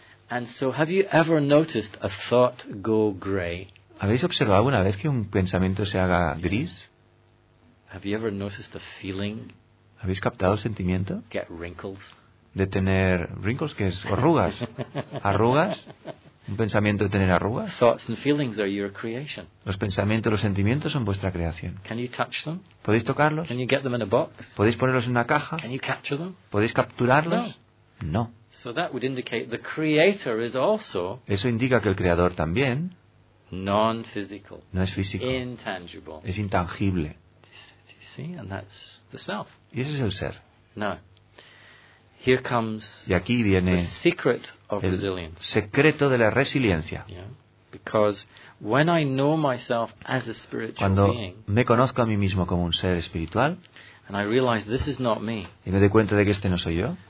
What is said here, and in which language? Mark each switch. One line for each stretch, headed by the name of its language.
English: And so, have you ever noticed a thought go gray?
Spanish: ¿Habéis observado alguna vez que un pensamiento se haga gris?
English: Have you ever noticed a feeling?
Spanish: ¿Habéis captado el sentimiento?
English: Get wrinkles.
Spanish: De tener wrinkles, que es arrugas. Arrugas. Un pensamiento de tener arrugas.
English: Thoughts and feelings are your creation.
Spanish: Los pensamientos, los sentimientos son vuestra creación.
English: Can you touch them?
Spanish: ¿Podéis tocarlos?
English: Can you get them in a box?
Spanish: ¿Podéis ponerlos en una caja?
English: Can you capture them?
Spanish: ¿Podéis capturarlos? No.
English: So that would indicate the creator is also.
Spanish: Eso indica que el creador también.
English: Non-physical.
Spanish: No es físico.
English: Intangible.
Spanish: Es intangible.
English: See, and that's the self.
Spanish: Y ese es el ser.
English: Now, here comes
Spanish: y aquí viene
English: the secret of resilience.
Spanish: El secreto de la resiliencia.
English: Yeah. Because when I know myself as a spiritual
Spanish: cuando
English: being,
Spanish: me conozco a mí mismo como un ser espiritual,
English: and I realize this is not me,
Spanish: y me doy cuenta de que este no soy yo,